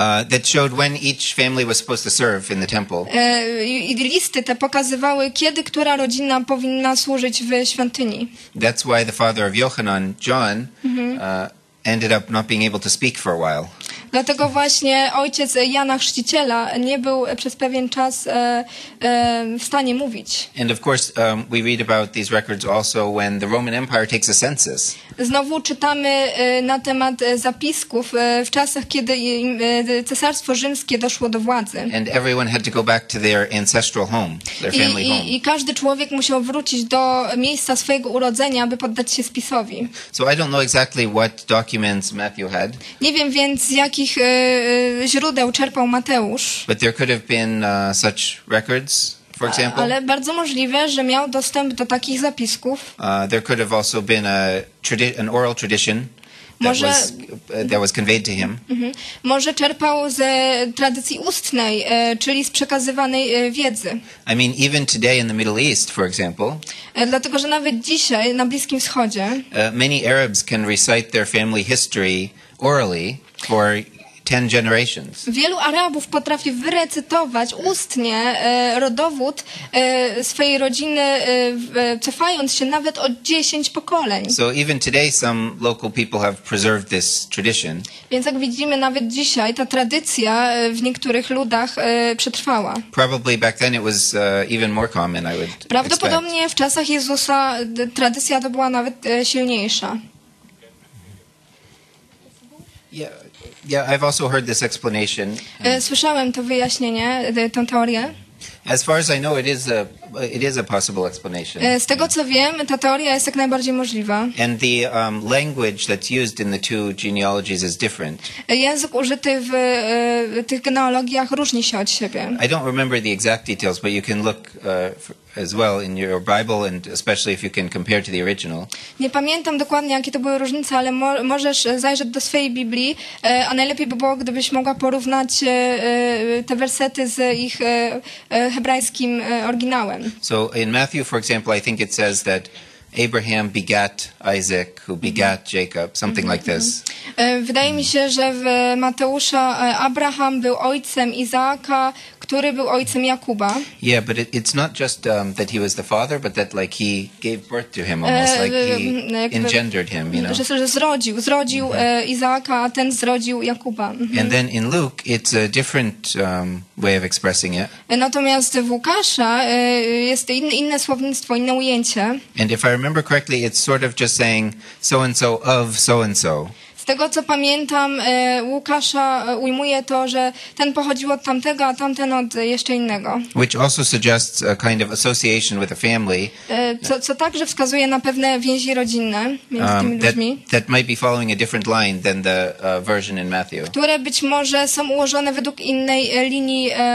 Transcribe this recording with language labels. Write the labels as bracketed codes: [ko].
[en] That showed when each family was supposed to serve in the temple. [pl] I listy te pokazywały, kiedy która rodzina powinna służyć w świątyni. [en] That's why the father of Yohanan, John, ended up not being able to speak for a while. [pl] Dlatego właśnie ojciec Jana Chrzciciela nie był przez pewien czas w stanie mówić. [en] And of course we read about these records also when the Roman Empire takes a census. [pl] Znowu czytamy na temat zapisków w czasach, kiedy cesarstwo rzymskie doszło do władzy. [en] And everyone had to go back to their ancestral home, their family home. [pl] I każdy człowiek musiał wrócić do miejsca swojego urodzenia, aby poddać się spisowi. [en] So I don't know exactly what documents Matthew had. [pl] Nie wiem więc, jakich źródeł czerpał Mateusz. [en] But there could have been such records, for example. [pl] Ale bardzo możliwe, że miał dostęp do takich zapisków. [en] There could have also been an oral tradition. that was conveyed to him. [pl] Może czerpał z tradycji ustnej, czyli z przekazywanej wiedzy. [en] I mean, even today in the Middle East, for example. [pl] Dlatego, że nawet dzisiaj na Bliskim Wschodzie. [en] Many Arabs can recite their family history orally for 10 generations. [pl] Wielu Arabów potrafi wyrecytować ustnie rodowód swojej rodziny, cofając się nawet o 10 pokoleń. [en] So even today some local people have preserved this tradition. [pl] Więc jak widzimy, nawet dzisiaj ta tradycja w niektórych ludach przetrwała. [en] Probably back then it was even more common, I would expect. [pl] Prawdopodobnie w czasach Jezusa tradycja to była nawet silniejsza. [en] Yeah. Yeah, I've also heard this explanation. [pl] Słyszałem to wyjaśnienie, tę teorię. [en] As far as I know, it is a possible explanation. [pl] Z tego co wiem, ta teoria jest jak najbardziej możliwa. [en] And the language that's used in the two genealogies is different. [pl] Język użyty w tych genealogiach różni się od siebie. [en] I don't remember the exact details, but you can look as well in your Bible, and especially if you can compare to the original. [pl] Nie pamiętam dokładnie, jakie to były różnice, ale możesz zajrzeć do swojej Biblii, a najlepiej by było, gdybyś mogła porównać te wersety z ich hebrajskim oryginałem. [en] So in Matthew, for example, I think it says that Abraham begat Isaac, who begat Jacob, something like this. [pl] Wydaje mi się, że w Mateusza Abraham był ojcem Izaaka, który był ojcem Jakuba. [en] Yeah, but it's not just that he was the father, but that like he gave birth to him, almost like he engendered him, you know. [pl] Że zrodził Izaaka, a ten zrodził Jakuba. [en] And then in Luke, it's a different way of expressing it. [pl] Natomiast w Łukasza jest inne słownictwo, inne ujęcie. [en] And if I remember correctly, it's sort of just saying so and so of so and so. [pl] Z tego co pamiętam, Łukasza ujmuje to, że ten pochodził od tamtego, a tamten od jeszcze innego. [en] Which also suggests a kind of association with a family. [pl] Co także wskazuje na pewne więzi rodzinne między tymi ludźmi. [en] That might be following a different line than the version in Matthew. [pl] Które być może są ułożone według innej linii.